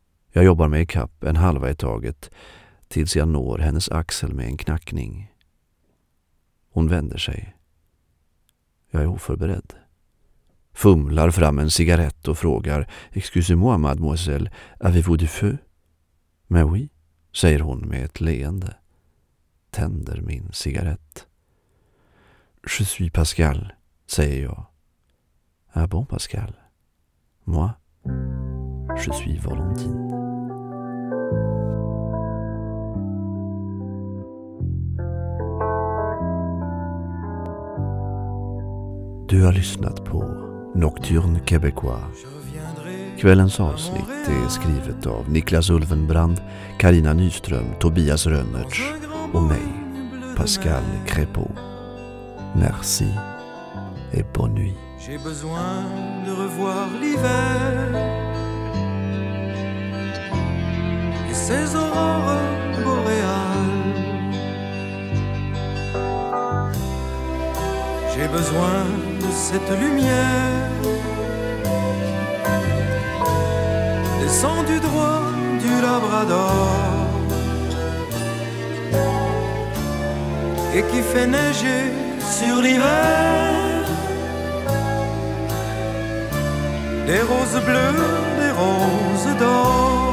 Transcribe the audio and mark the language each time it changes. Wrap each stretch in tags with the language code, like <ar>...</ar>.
<sv>Jag jobbar mig i kapp en halva i taget tills jag når hennes axel med en knackning. Hon vänder sig. Jag är oförberedd. Fumlar fram en cigarett och frågar:</sv> <fr>Excusez-moi, mademoiselle, avez-vous du feu? Mais oui,</fr> <sv>säger hon med ett leende. Tänder min cigarett.</sv> <fr>Je suis Pascal,</fr> <sv>säger jag.</sv> <fr>Ah bon, Pascal. Moi, je suis Valentine.</fr> <sv>Du har lyssnat på Nocturne Québécois. Kvällens avsnitt är skrivet av Niklas Ulvenbrand, Karina Nyström, Tobias Rönnerts och mig, Pascal Crépeau.</sv> <fr>Merci et bonne nuit. J'ai besoin de revoir l'hiver et ses aurores boréales. J'ai besoin de cette lumière descendue droit du Labrador et qui fait neiger sur l'hiver des roses bleues, des roses d'or.</fr>